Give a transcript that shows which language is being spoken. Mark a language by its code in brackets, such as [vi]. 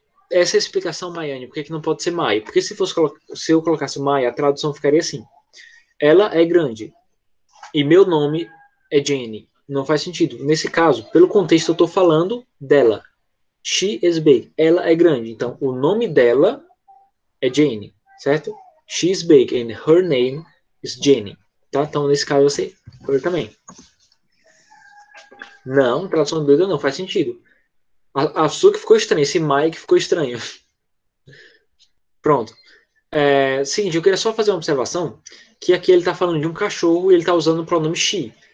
[pt] Essa é a explicação, Maiane. Por que que não pode ser Mai? Porque se eu colocasse Mai, a tradução ficaria assim. ela é grande e meu nome é Jenny. Não faz sentido. Nesse caso, pelo contexto, eu estou falando dela. [en] She is big. [pt] Ela é grande. Então, o nome dela é Jenny, certo? [en] She is big and her name is Jenny. [pt] Tá? Então, nesse caso, você foi também. Não, tradução doida não faz sentido. A Suki ficou estranha. Esse Mike ficou estranho. Pronto. É, seguinte, eu queria só fazer uma observação. Que aqui ele está falando de um cachorro e ele está usando o pronome she.